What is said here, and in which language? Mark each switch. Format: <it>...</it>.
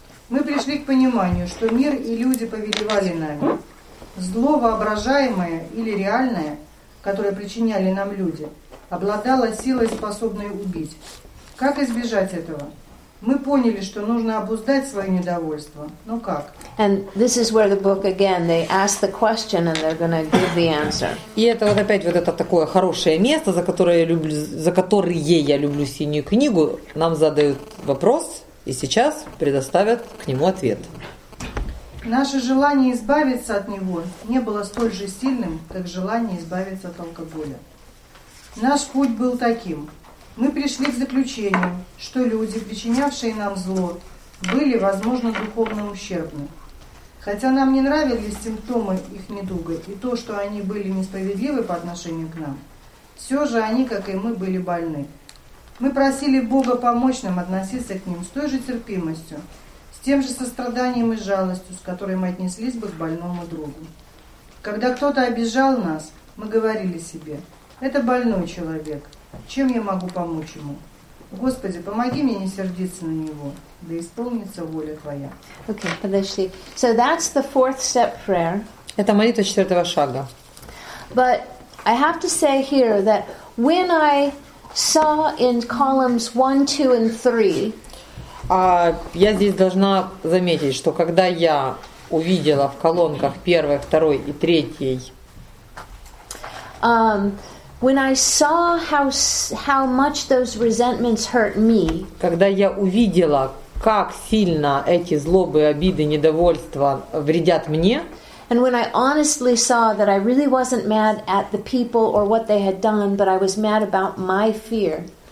<ru>Мы пришли к пониманию, что мир и люди повелевали нами. Зло воображаемое или реальное, которое причиняли нам люди, обладало силой, способной убить. Как избежать этого? Мы поняли, что нужно обуздать свое недовольство. Но как?</ru> <en>And this is where the book again, they ask the question and they're going to give the answer.</en> <ru>И это вот опять вот это такое хорошее место, за которое я люблю синюю книгу, нам задают вопрос и сейчас предоставят к нему ответ. Наше желание избавиться от него не было столь же сильным, как желание избавиться от алкоголя. Наш путь был таким. Мы пришли к заключению, что люди, причинявшие нам зло, были, возможно, духовно ущербны. Хотя нам не нравились симптомы их недуга и то, что они были несправедливы по отношению к нам, все же они, как и мы, были больны. Мы просили Бога помочь нам относиться к ним с той же терпимостью, с тем же состраданием и жалостью, с которой мы отнеслись бы к больному другу. Когда кто-то обижал нас, мы говорили себе: «Это больной человек. Чем я могу помочь ему? Господи, помоги мне не сердиться на него, да исполнится воля Твоя».</ru> <en>Okay,</en> <ru>подожди.</ru> <en>So that's the fourth step prayer.</en> <ru>Это молитва четвертого шага.</ru> <en>But I have to say here that when I saw in columns 1, 2, and 3.</en> <ru>Я здесь должна заметить, что когда я увидела в колонках 1, 2 и 3.</ru> <en>When I saw how much those resentments hurt me,</en> <ru>когда я увидела, как сильно эти злобы, обиды, недовольства вредят мне.</ru> <en>And when I honestly saw that I really wasn't mad at the people or what they had done, but I was mad about my fear.</en>